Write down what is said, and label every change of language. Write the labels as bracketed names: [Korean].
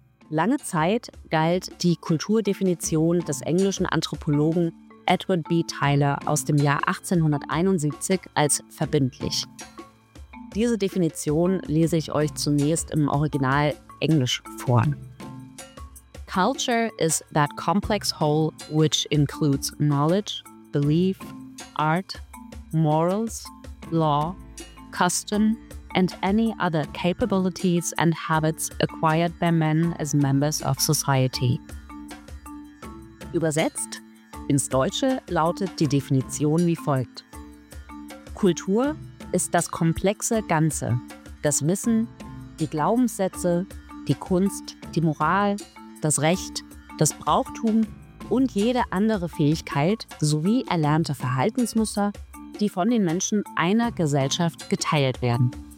[German] Lange Zeit galt die Kulturdefinition des englischen Anthropologen Edward B. Tyler aus dem Jahr 1871 als verbindlich. Diese Definition lese ich euch zunächst im Original Englisch vor. [English] Culture is that complex whole which includes knowledge, belief, art, morals, law, custom, and any other capabilities and habits acquired by men as members of society. [German] Übersetzt ins Deutsche lautet die Definition wie folgt. Kultur ist das komplexe Ganze, das Wissen, die Glaubenssätze, die Kunst, die Moral, das Recht, das Brauchtum und jede andere Fähigkeit sowie erlernte Verhaltensmuster, die von den Menschen einer Gesellschaft geteilt werden.